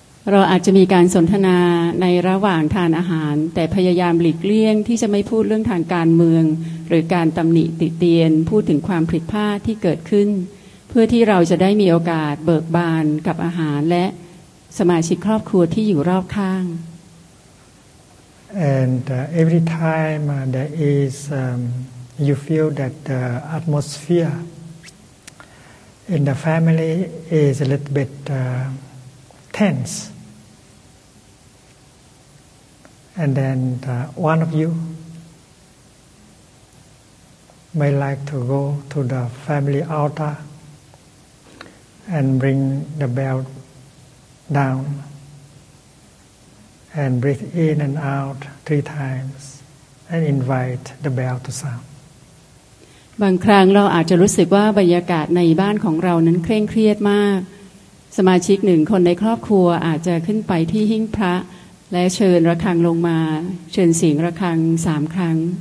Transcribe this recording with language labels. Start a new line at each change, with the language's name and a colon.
Thai: เราอาจจะมีการสนทนาในระหว่างทานอาหารแต่พยายามหลีกเลี่ยงที่จะไม่พูดเรื่องทางการเมืองหรือการตำหนิติเตียนพูดถึงความผิดพลาดที่เกิดขึ้นเพื่อที่เราจะได้มีโอกาสเบิกบานกับอาหารและสมาชิกครอบครัวที่อยู่รอบข้าง
English: And every time there is, you feel that the atmosphere in the family is a little bit tense. And then one of you may like to go to the family altar and bring the bell down and breathe in and out 3 times and invite the bell to sound.
Thai: บางครั้งเราอาจจะรู้สึกว่าบรรยากาศในบ้านของเรานั้นเคร่งเครียดมากสมาชิกหนึ่งคนในครอบครัวอาจจะขึ้นไปที่หิ้งพระและเชิญระฆังลงมาเชิญเสียงระฆัง3 ครั้ง